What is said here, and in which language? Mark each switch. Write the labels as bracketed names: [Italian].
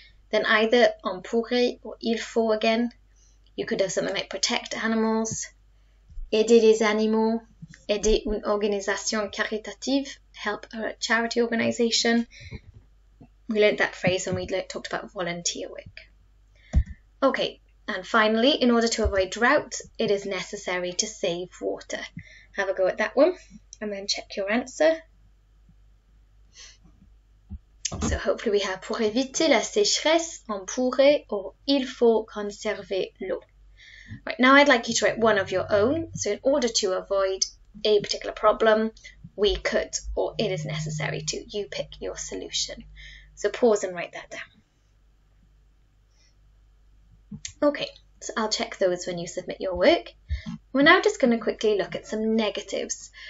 [English] Then either on pourrait or il faut again, you could have something like protect animals, [French] aider les animaux, aider une organisation caritative, [English] help a charity organisation. We learned that phrase when we talked about volunteer work. Okay, and finally, in order to avoid drought, it is necessary to save water. Have a go at that one, and then check your answer. So hopefully we have [French] pour éviter la sécheresse, on pourrait, or il faut conserver l'eau. [English] Right, now I'd like you to write one of your own. So in order to avoid a particular problem, we could, or it is necessary to, you pick your solution. So pause and write that down. Okay, so I'll check those when you submit your work. We're now just going to quickly look at some negatives.